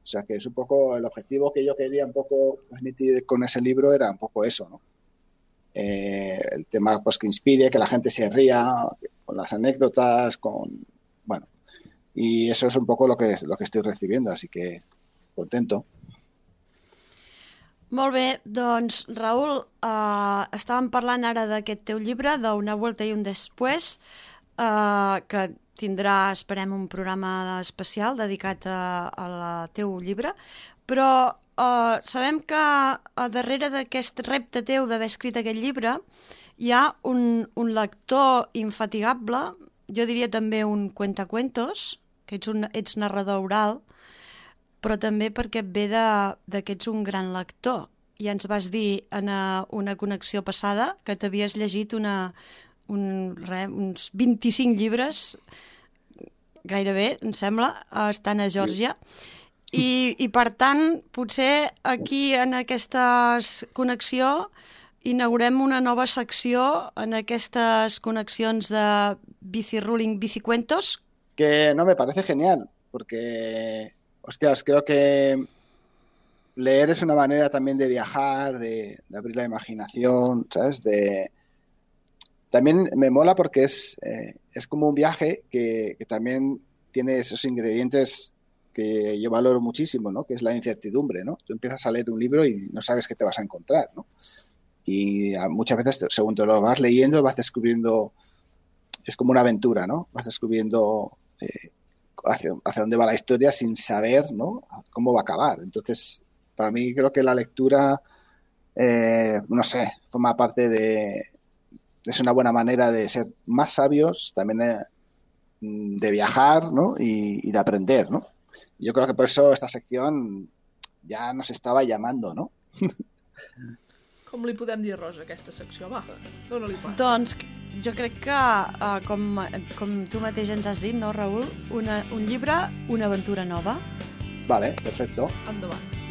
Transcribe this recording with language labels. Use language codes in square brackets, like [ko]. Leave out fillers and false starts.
[es] O sea, que es un poco el objetivo que yo quería un poco transmitir con ese libro, era un poco eso, ¿no? El tema, pues, que inspire, que la gente se ría con las anécdotas, con, bueno, y eso es un poco lo que estoy recibiendo, así que contento. [ca] Molt bé, doncs, Raül, estàvem parlant ara d'aquest teu llibre, d'Una vuelta i un després, que tindrà, esperem, un programa especial dedicat al teu llibre, però sabem que darrere d'aquest repte teu d'haver escrit aquest llibre hi ha un lector infatigable, jo diria també un cuentacuentos, que ets narrador oral, però també perquè et ve de que ets un gran lector. I ens vas dir en una connexió passada que t'havies llegit uns 25 llibres, gairebé, em sembla, estant a Geòrgia. I per tant, potser aquí en aquesta connexió inaugurem una nova secció en aquestes connexions de bici-ruling, bici-cuentos. [es] Que no, me parece genial, porque, hostias, creo que leer es una manera también de viajar, de abrir la imaginación, ¿sabes? También me mola porque es como un viaje que también tiene esos ingredientes que yo valoro muchísimo, ¿no? Que es la incertidumbre, ¿no? Tú empiezas a leer un libro y no sabes qué te vas a encontrar, ¿no? Y muchas veces, según te lo vas leyendo, vas descubriendo, es como una aventura, ¿no? Vas descubriendo hacia dónde va la historia sin saber, ¿no?, cómo va a acabar. Entonces, para mí creo que la lectura, no sé, forma parte de, es una buena manera de ser más sabios, también de viajar, ¿no?, y de aprender, ¿no? Yo creo que por eso esta sección ya nos estaba llamando, ¿no? [ca] Com li podem dir, Rosa, aquesta secció? Va, dóna-li pas. Doncs jo crec que, com tu mateix ens has dit, no, Raül? Un llibre, una aventura nova. [es] Vale, perfecto. [ca] Endavant.